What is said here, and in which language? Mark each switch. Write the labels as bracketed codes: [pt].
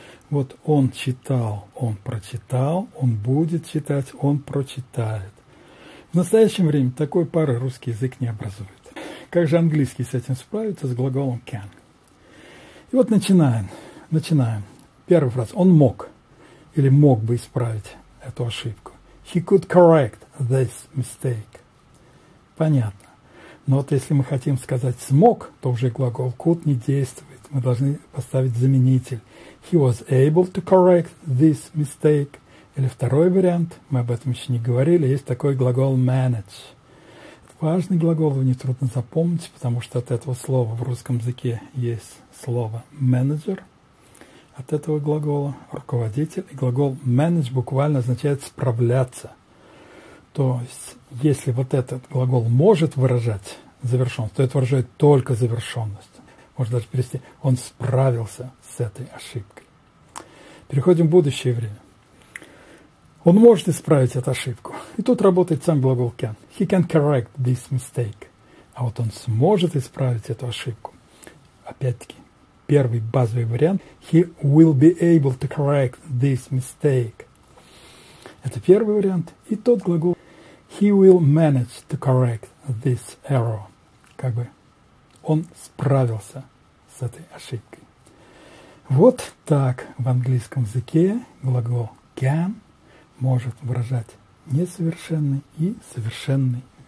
[ru] Вот он читал, он прочитал, он будет читать, он прочитает. В настоящее время такой пары русский язык не образует. Как же английский с этим справится, с глаголом can? И вот начинаем. Первый фраз. Он мог или мог бы исправить эту ошибку. [en] He could correct this mistake. [ru] Понятно. Но вот если мы хотим сказать смог, то уже глагол could не действует. Мы должны поставить заменитель. [en] He was able to correct this mistake. [ru] Или второй вариант, мы об этом еще не говорили, есть такой глагол manage. важный глагол, его нетрудно запомнить, потому что от этого слова в русском языке есть слово «менеджер», от этого глагола «руководитель». И глагол «manage» буквально означает «справляться». То есть, если вот этот глагол может выражать завершенность, то это выражает только завершенность. Можно даже перевести «он справился с этой ошибкой». Переходим в будущее время. Он может исправить эту ошибку. И тут работает сам глагол can. [en] He can correct this mistake. [ru] А вот он сможет исправить эту ошибку. Опять-таки, первый базовый вариант. [en] He will be able to correct this mistake. [ru] Это первый вариант. И тот глагол. [en] He will manage to correct this error. [ru] Как бы он справился с этой ошибкой. Вот так в английском языке глагол can может выражать несовершенный и совершенный